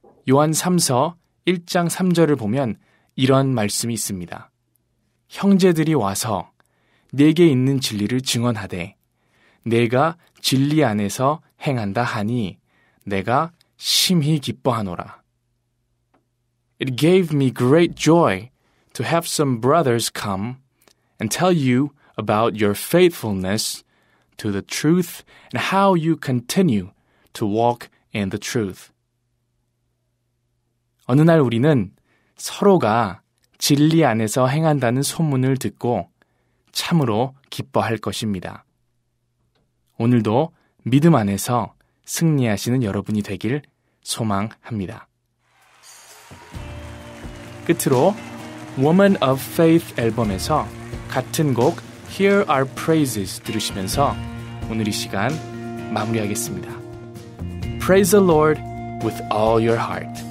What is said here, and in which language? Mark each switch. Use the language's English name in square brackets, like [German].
[Korean] 요한 3서 1장 3절을 보면 이런 말씀이 있습니다. 형제들이 와서 내게 있는 진리를 증언하되 내가 진리 안에서 행한다 하니 내가 심히 기뻐하노라. [English] It gave me great joy to have some brothers come and tell you about your faithfulness to the truth and how you continue to walk in the truth. [Korean] 어느 날 우리는 서로가 진리 안에서 행한다는 소문을 듣고 참으로 기뻐할 것입니다. 오늘도 믿음 안에서 승리하시는 여러분이 되길 소망합니다. 끝으로 Woman of Faith 앨범에서 같은 곡 Here Are Praises 들으시면서 오늘 이 시간 마무리하겠습니다. [English] Praise the Lord with all your heart.